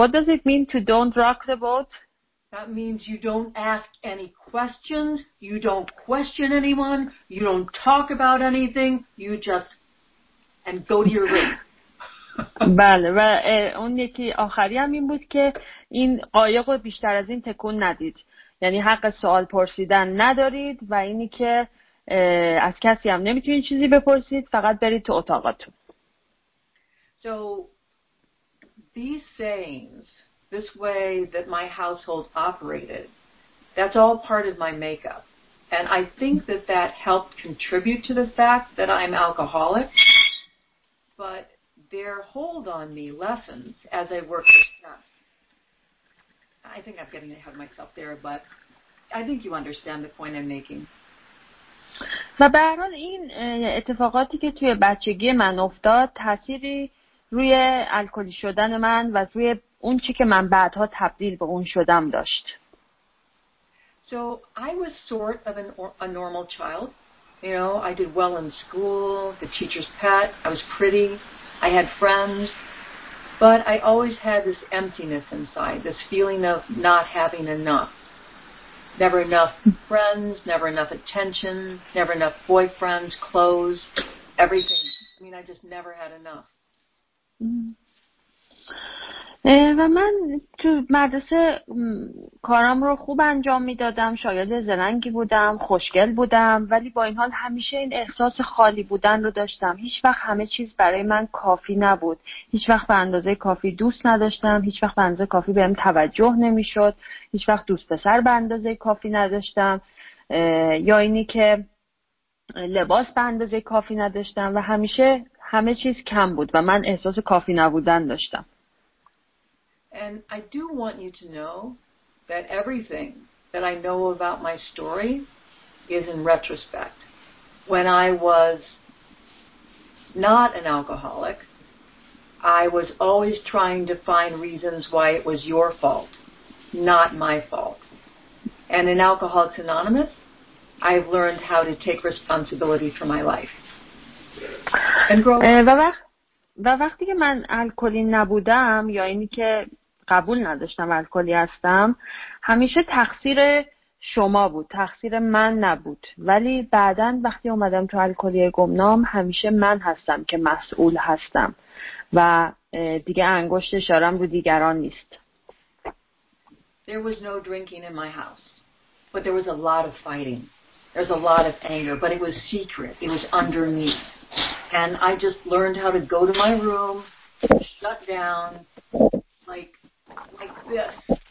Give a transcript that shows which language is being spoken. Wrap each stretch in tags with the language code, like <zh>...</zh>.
<en>What does it mean to don't rock the boat? That means you don't ask any questions, you don't question anyone, you don't talk about anything, you just, and go to your room.</en> <fa>بله، و اون یکی آخری هم این بود که این قایق رو بیشتر از این تکون ندید. یعنی حق سوال پرسیدن ندارید و اینی که از کسی هم نمیتونید چیزی بپرسید، فقط برید تو اتاقاتون.</fa> <en>So, these sayings, this way that my household operated, that's all part of my makeup. And I think that that helped contribute to the fact that I'm alcoholic. But their hold on me lessens as I work with stress. I think I'm getting ahead of myself there, but I think you understand the point I'm making.</en> <fa>و به هر حال این اتفاقاتی که توی بچگی من افتاد تأثیری روی الکلی شدن من و روی اون چی که من بعدها تبدیل به اون شدم داشت.</fa> <en>So I was sort of a normal child. You know, I did well in school, the teacher's pet, I was pretty, I had friends, but I always had this emptiness inside, this feeling of not having enough. Never enough friends, never enough attention, never enough boyfriends, clothes, everything. I mean, I just never had enough.</en> <fa>و من تو مدرسه کارام رو خوب انجام می دادم، شاید زرنگی بودم، خوشگل بودم، ولی با این حال همیشه این احساس خالی بودن رو داشتم. هیچ وقت همه چیز برای من کافی نبود، هیچ وقت به اندازه کافی دوست نداشتم، هیچ وقت به اندازه کافی بهم توجه نمی شد، هیچ وقت دوست پسر به اندازه کافی نداشتم، یا اینی که لباس به اندازه کافی نداشتم، و همیشه همه چیز کم بود و من احساس کافی نبودن داشتم.</fa> <en>And I do want you to know that everything that I know about my story is in retrospect. When I was not an alcoholic, I was always trying to find reasons why it was your fault, not my fault. And in Alcoholics Anonymous, I've learned how to take responsibility for my life. And grow.</en> <fa>وقتی که من الکلی نبودم یا اینی که قبول نداشتم الکلی هستم، همیشه تقصیر شما بود، تقصیر من نبود، ولی بعداً وقتی اومدم تو الکلی گمنام همیشه من هستم که مسئول هستم و دیگه انگشت اشارم رو دیگران نیست.</fa> <en>There was no drinking in my house, but there was a lot of fighting. There was a lot of anger, but it was secret. It was underneath. And I just learned how to go to my room, shut down, like this.</en>